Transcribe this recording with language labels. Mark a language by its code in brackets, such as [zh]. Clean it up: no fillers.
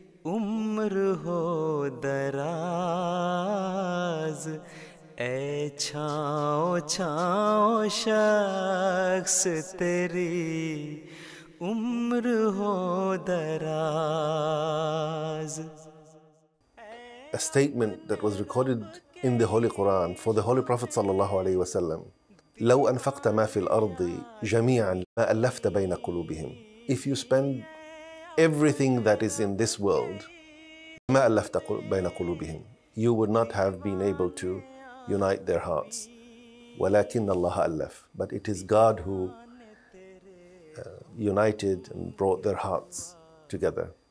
[ur] عمر ہو دراز اے چھاؤں چھاؤں شخص تیری عمر ہو دراز. [en] A statement that was recorded in the Holy Quran for the Holy Prophet sallallahu alaihi wasallam. [ar] لو أنفقت ما في الأرض جميعا ما ألفت بين قلوبهم. [en] If you spend everything that is in this world, [ar] ما ألفت بين قلوبهم, [en] you would not have been able to unite their hearts. [ar] ولكن الله ألف. [en] But it is God who united and brought their hearts together.